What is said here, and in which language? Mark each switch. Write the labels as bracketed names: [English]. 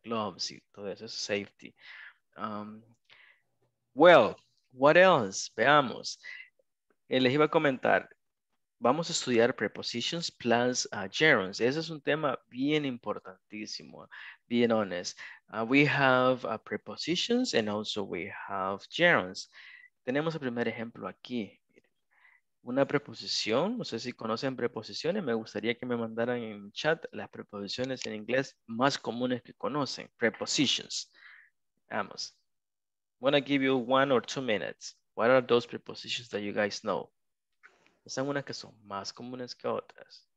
[English] Gloves [Spanish] y todo eso, es safety. [English] Well, what else? [Spanish] Veamos. Les iba a comentar, vamos a estudiar [English] prepositions plus gerunds. [Spanish] Ese es un tema bien importantísimo, bien honest. [English] We have prepositions and also we have gerunds. [Spanish] Tenemos el primer ejemplo aquí. Una preposición, no sé si conocen preposiciones, me gustaría que me mandaran en chat las preposiciones en inglés más comunes que conocen, prepositions. Vamos. [English] I'm going to give you 1 or 2 minutes. What are those prepositions that you guys know? [Spanish] Son unas que son más comunes que otras.